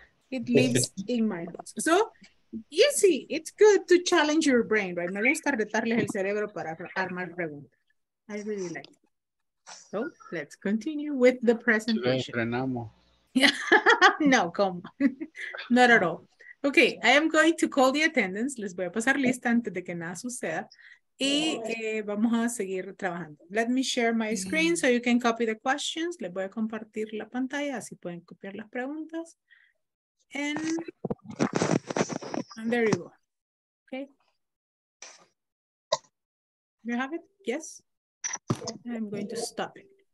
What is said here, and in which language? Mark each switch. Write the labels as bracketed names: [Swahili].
[English] It lives in my house. So, easy. It's good to challenge your brain, right? [Spanish] Me gusta retarles el cerebro para armar preguntas. [English] I really like it. So, let's continue with the presentation. No, come on. Not at all. Okay, I am going to call the attendance. [Spanish] Les voy a pasar lista antes de que nada suceda. Y vamos a seguir trabajando. [English] Let me share my screen so you can copy the questions. [Spanish] Les voy a compartir la pantalla, así pueden copiar las preguntas. [English] And there you go. Okay. You have it? Yes? I'm going to stop it.